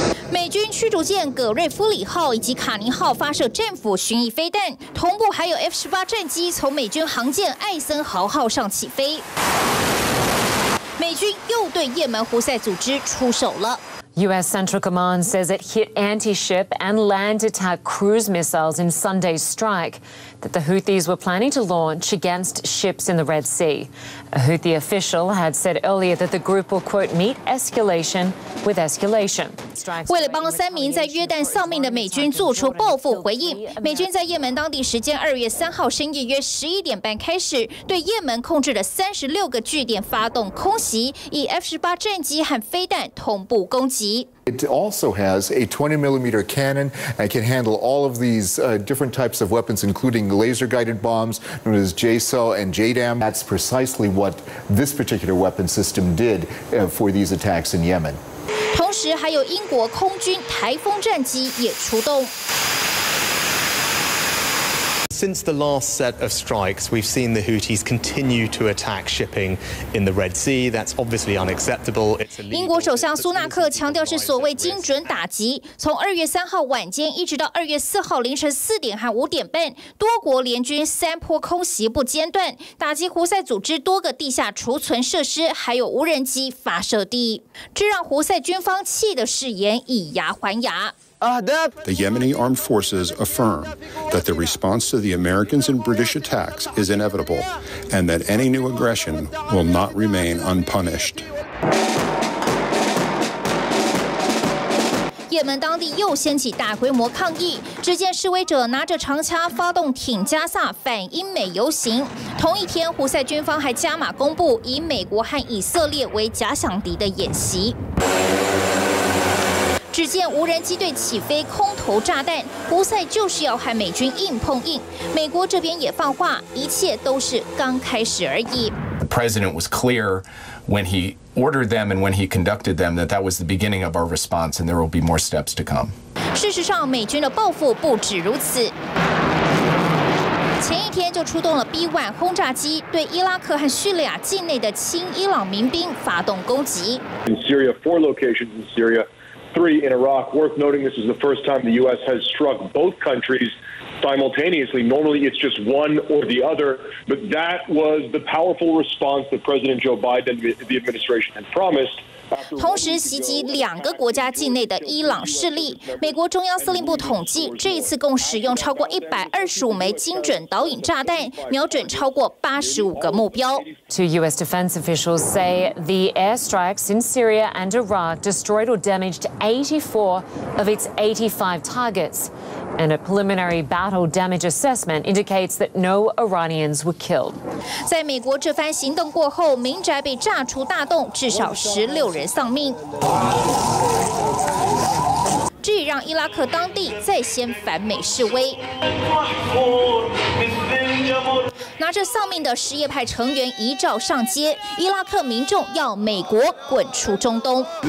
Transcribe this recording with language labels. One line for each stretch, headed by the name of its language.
Chinese: 美军驱逐舰葛瑞夫里号以及卡尼号发射战斧巡弋飞弹，同步还有 F-18 战机从美军航舰艾森豪号上起飞。美军又对也门胡塞组织出手了。
English: U.S. Central Command says it hit anti-ship and land attack cruise missiles in Sunday's strike that the Houthis were planning to launch against ships in the Red Sea. A Houthi official had said earlier that the group will, quote, meet escalation with escalation.
Chinese: 为了帮三名在约旦丧命的美军做出报复回应，美军在也门当地时间2月3日深夜约11:30开始，对也门控制的36个据点发动空袭，以 F-18 战机和飞弹同步攻击。
English: It also has a 20mm cannon and can handle all of these different types of weapons, including laser-guided bombs known as JSOW and JDAM. That's precisely what this particular weapon system did for these attacks in Yemen.
Chinese: 同时还有英国空军台风战机也出动。
English: Since the last set of strikes, we've seen the Houthis continue to attack shipping in the Red Sea. That's obviously unacceptable.
Chinese: 英国首相苏纳克强调是所谓精准打击。从2月3号晚间一直到2月4号凌晨4:30和5:30，多国联军三波空袭不间断，打击胡塞组织多个地下储存设施，还有无人机发射地。这让胡塞军方气得誓言以牙还牙。
English: The Yemeni armed forces affirm that the response to the Americans and British attacks is inevitable and that any new aggression will not remain unpunished.
Chinese: 也门当地又掀起大规模抗议，只见示威者拿着长枪发动挺加萨反英美游行。同一天，胡塞军方还加码公布以美国和以色列为假想敌的演习。只见无人机队起飞空投炸弹，胡塞就是要和美军硬碰硬。美国这边也放话，一切都是刚开始而已。
English: The president was clear when he ordered them and when he conducted them that that was the beginning of our response, and there will be more steps to come.
Chinese: 事实上，美军的报复不止如此。前一天就出动了 B-1 轰炸机，对伊拉克和叙利亚境内的亲伊朗民兵发动攻击。
English: In Syria, 4 locations in Syria. 3 in Iraq. Worth noting, this is the first time the U.S. has struck both countries simultaneously. Normally, it's just one or the other, but that was the powerful response that President Joe Biden, the administration, had promised.
Chinese: 同时袭击两个国家境内的伊朗势力。美国中央司令部统计，这一次共使用超过125枚精准导引炸弹，瞄准超过85个目标。
English: Two U.S. defense officials say the airstrikes in Syria and Iraq destroyed or damaged 84 of its 85 targets, and a preliminary battle damage assessment indicates that no Iranians were killed.
Chinese: 在美国这番行动过后，民宅被炸出大洞，至少16人丧命，这也让伊拉克当地再掀反美示威。拿着丧命的什叶派成员遗照上街，伊拉克民众要美国滚出中东。